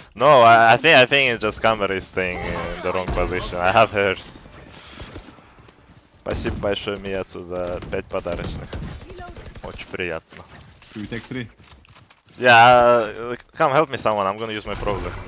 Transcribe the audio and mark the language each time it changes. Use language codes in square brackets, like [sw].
[en] No, I think it's just camera is staying in the wrong position. I have hers. [ru] Спасибо большое, Миятсу, за 5 подарочных. Очень приятно. [en] Should we take 3? Yeah, come help me someone, I'm gonna use my probe.